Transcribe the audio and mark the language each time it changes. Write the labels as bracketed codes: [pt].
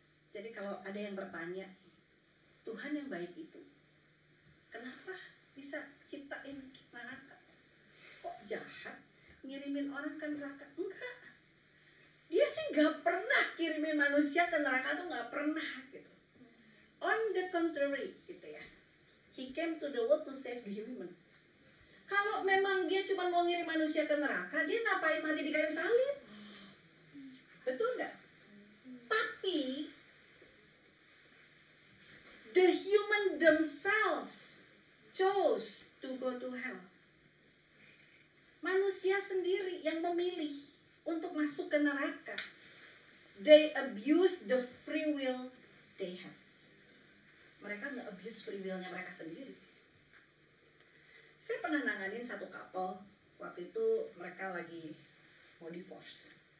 [id] Jadi kalau ada yang bertanya, Tuhan yang baik itu kenapa bisa ciptain neraka? Kok jahat ngirimin orang ke neraka? Enggak. Dia sih gak pernah kirimin manusia ke neraka, tuh gak pernah gitu. [en] On the contrary gitu ya. [id] He came to the world to save the human. Kalau memang dia cuma mau ngirim manusia ke neraka, dia ngapain mati di kayu salib? Betul enggak? [en] Tapi the human themselves chose to go to hell. [id] Manusia sendiri yang memilih untuk masuk ke neraka. [en] They abuse the free will they have. [id] Mereka nggak abuse free willnya mereka sendiri. Saya pernah nanganin satu couple, waktu itu mereka lagi mau divorce.